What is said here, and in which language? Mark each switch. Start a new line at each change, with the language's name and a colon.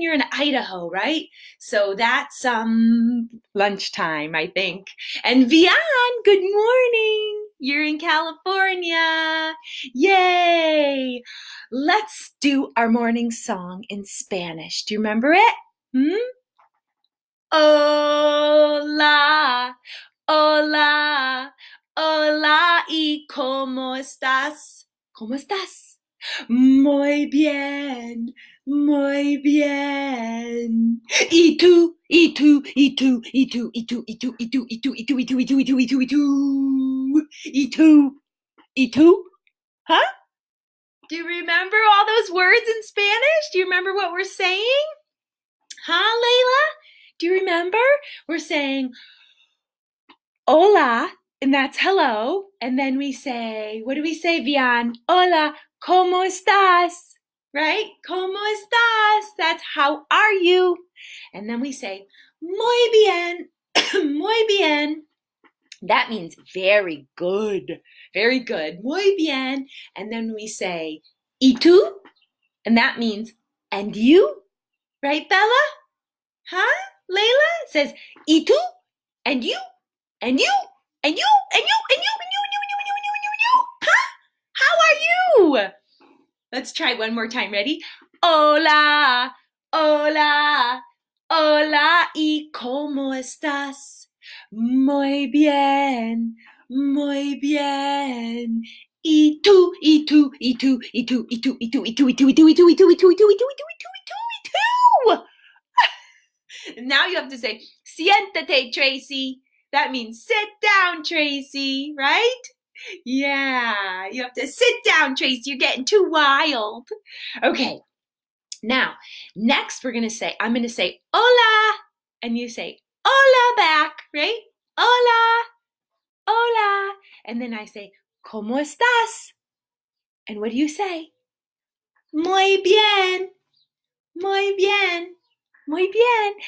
English: You're in Idaho, right? So that's lunchtime, I think. And Vian, good morning. You're in California. Yay. Let's do our morning song in Spanish. Do you remember it? Hmm?
Spanish: Hola, hola, hola, y cómo estás? ¿Cómo estás? Muy bien, muy bien. ¿Y tú? ¿Y tú? ¿Y tú? ¿Y tú? ¿Y tú? ¿Y tú? ¿Y tú? ¿Y tú? ¿Y tú? ¿Y tú? ¿Y tú? ¿Y tú? ¿Y tú? ¿Y tú? ¿Y tú? ¿Y tú? Huh?
English: Do you remember all those words in Spanish? Do you remember what we're saying? Huh, Layla? Do you remember? We're saying hola, and that's hello. And then we say, what do we say, Vian?
Spanish: Hola, ¿cómo estás?
English: Right?
Spanish: ¿Cómo estás?
English: That's how are you? And then we say,
Spanish: muy bien, muy bien.
English: That means very good, very good.
Spanish: Muy bien.
English: And then we say,
Spanish: ¿y tú?
English: And that means, and you? Right, Bella? Huh? Layla says,
Spanish: "Y tú?
English: And you? And you? And you? And you? And you? And you? And you? And you? And you? And you? And you? And you? Huh? How are you?" Let's try one more time. Ready?
Spanish: Hola, hola, hola. ¿Y cómo estás? Muy bien, muy bien. ¿Y tú? ¿Y tú? ¿Y tú? ¿Y tú? ¿Y tú? ¿Y tú? ¿Y tú? ¿Y tú? ¿Y tú? ¿Y tú? ¿Y tú? ¿Y tú? ¿Y tú? ¿Y tú? ¿Y tú? ¿Y tú? ¿Y tú? ¿Y tú? ¿Y tú?
English: Now you have to say,
Spanish: siéntate,
English: Tracy. That means sit down, Tracy, right? Yeah, you have to sit down, Tracy. You're getting too wild. Okay, now, next we're going to say, I'm going to say hola, and you say hola back, right?
Spanish: Hola, hola.
English: And then I say,
Spanish: ¿cómo estás?
English: And what do you say?
Spanish: Muy bien, muy bien, muy bien.